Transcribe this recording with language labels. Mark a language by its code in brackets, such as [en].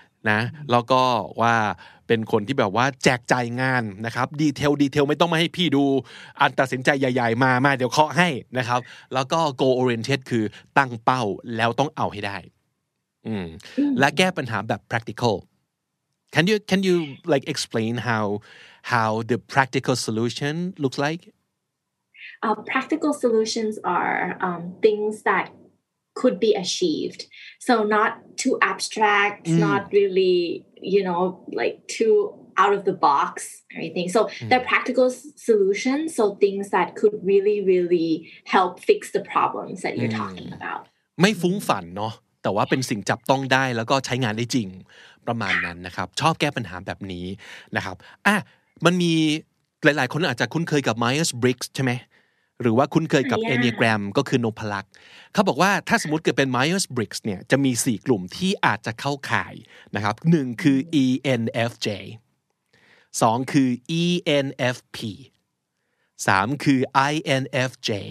[th] นะแล้วก็ว่าเป็นคนที่แบบว่าแจกจ่ายงานนะครับดีเทลไม่ต้องมาให้พี่ดูอันตัดสินใจใหญ่ๆมาเดี๋ยวเคาะให้นะครับแล้วก็ goal oriented คือตั้งเป้าแล้วต้องเอาให้ได้และแก้ปัญหาแบบ practical [en] can you like explain how the practical solution looks like practical solutions are things that could be achieved so not too abstract not really you know like too out of the box or anything so they're practical solutions so things that could really really help fix the problems that you're talking about [th] ไม่ฟุ้งฝันเนาะแต่ว่าเป็นสิ่งจับต้องได้แล้วก็ใช้งานได้จริงประมาณนั้นนะครับชอบแก้ปัญหาแบบนี้นะครับอ่ะมันมีหลายๆคนอาจจะคุ้นเคยกับ Myers-Briggs ใช่ไหมหรือว่าคุณเคยกับ Enneagram ก็คือนพลักษ์เขาบอกว่าถ้าสมมุติเกิดเป็น Myers-Briggs เนี่ยจะมี4กลุ่มที่อาจจะเข้าข่ายนะครับ1คือ ENFJ 2คือ ENFP 3คือ INFJ